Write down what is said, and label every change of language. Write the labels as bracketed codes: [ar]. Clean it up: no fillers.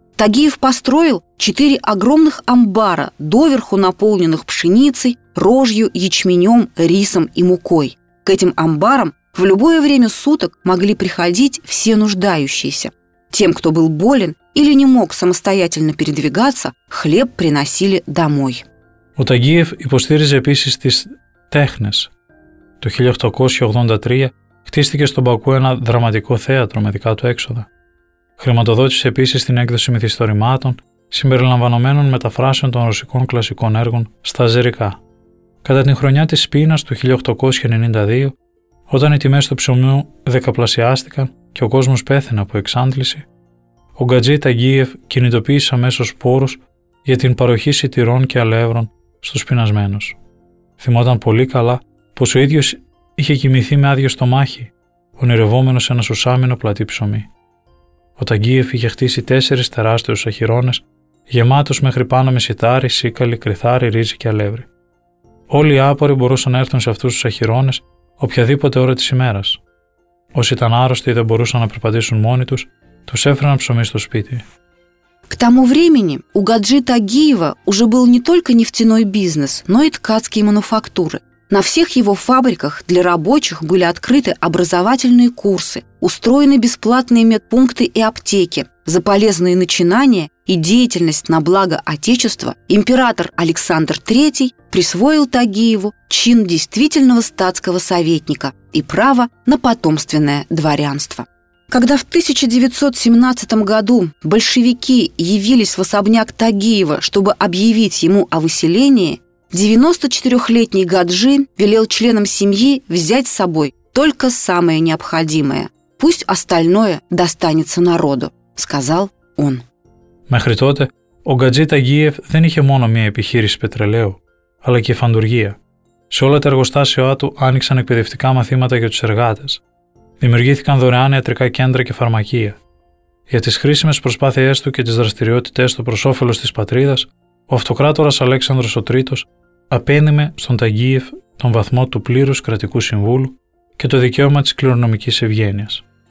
[ru] Тагиев построил 4 огромных амбара, доверху наполненных пшеницей, рожью, ячменем, рисом и мукой. К этим амбарам в любое время суток могли приходить все нуждающиеся. Тем, кто был болен или не мог самостоятельно передвигаться, хлеб приносили домой. [el] Ο Ταγκίεφ υποστήριζε επίσης τις τέχνες. Το 1883 χτίστηκε στον Μπακού ένα δραματικό θέατρο με δικά του έξοδα. Χρηματοδότησε επίσης την έκδοση μυθιστορημάτων συμπεριλαμβανομένων μεταφράσεων των ρωσικών κλασικών έργων στα αζερικά. Κατά την χρονιά της πείνας του 1892, όταν οι τιμές του ψωμιού δεκαπλασιάστηκαν και ο κόσμος πέθαινε από εξάντληση, ο Γκατζή Ταγκίεφ κινητοποίησε αμέσως πόρους για την παροχή σιτηρών και αλεύρων στους πεινασμένους. Θυμόταν πολύ καλά πως ο ίδιος είχε κοιμηθεί με άδειο στομάχι, ονειρευόμενος σε ένα σουσάμινο πλατή ψωμί. Ο Ταγκίεφ είχε χτίσει 4 τεράστιους αχυρώνες, γεμάτους μέχρι πάνω με σιτάρι, σίκαλι, κρυθάρι, ρύζι και αλεύρι. Όλοι οι άποροι μπορούσαν να έρθουν σε αυτούς τους αχυρώνες οποιαδήποτε ώρα της ημέρας. Όσοι ήταν άρρωστοι ή δεν μπορούσαν να περπατήσουν μόνοι τους, τους έφεραν ψωμί στο σπίτι. [ru] К тому времени у Гаджи Тагиева уже был не только нефтяной бизнес, но и ткацкие мануфактуры. На всех его фабриках для рабочих были открыты образовательные курсы, устроены бесплатные медпункты и аптеки. За полезные начинания и деятельность на благо Отечества император Александр III присвоил Тагиеву чин действительного статского советника и право на потомственное дворянство. Когда в 1917 году большевики явились в особняк Тагиева, чтобы объявить ему о выселении, 94-летний Гаджи велел членам семьи взять с собой только самое необходимое. «Пусть остальное достанется народу», — сказал он. Мехри тоте, о Гаджи Тагиев [el] δεν είχε μόνο μία επιχείρηση πετρελαίου, αλλά και φαντουργία. Σε όλα τα εργοστάσια του άνοιξαν εκπαιδευτικά μαθήματα για τους εργάτες. Δημιουργήθηκαν δωρεάν ιατρικά κέντρα και φαρμακεία. Για τις χρήσιμες προσπάθειές του και τις δραστηριότητές του προς όφελος της πατρίδας, ο αυτοκράτορας Αλέξανδρος III απένειμε στον Ταγκίεφ τον βαθμό του πλήρους κρατικού συμβούλου και το δικαίωμα της κληρονομικής ευγένειας.